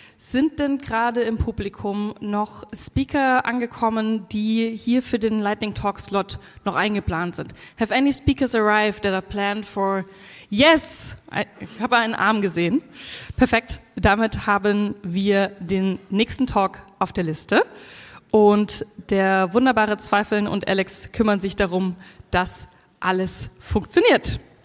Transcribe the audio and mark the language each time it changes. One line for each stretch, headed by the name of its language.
German: Sind denn gerade im Publikum noch Speaker angekommen, die hier für den Lightning Talk Slot noch eingeplant sind?
English: Have any speakers arrived that are planned for?
German: Yes, ich habe einen Arm gesehen. Perfekt. Damit haben wir den nächsten Talk auf der Liste. Und der wunderbare Zweifeln und Alex kümmern sich darum, dass alles funktioniert.